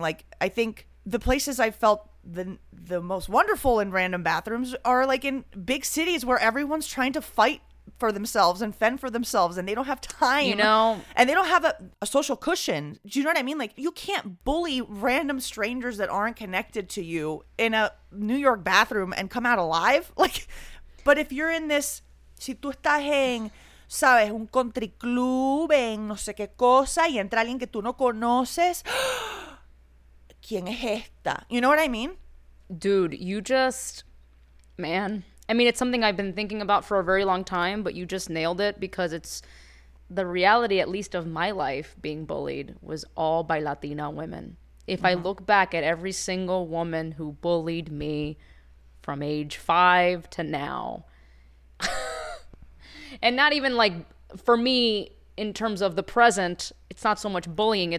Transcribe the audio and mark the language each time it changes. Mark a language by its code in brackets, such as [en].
[en] Like, I think the places I felt the most wonderful in random bathrooms are like in big cities where everyone's trying to fight for themselves and fend for themselves, and they don't have time, you know, and they don't have a social cushion. Do you know what I mean? Like, you can't bully random strangers that aren't connected to you in a New York bathroom and come out alive. Like, but if you're in this, [es] si tú estás en, sabes, un country club en no sé qué cosa y entra alguien que tú no conoces, ¿quién es esta? [en] You know what I mean? Dude, you just, man, I mean, it's something I've been thinking about for a very long time, but you just nailed it, because it's the reality, at least of my life, being bullied was all by Latina women. If I look back at every single woman who bullied me from age 5 to now, and not even like for me in terms of the present, it's not so much bullying.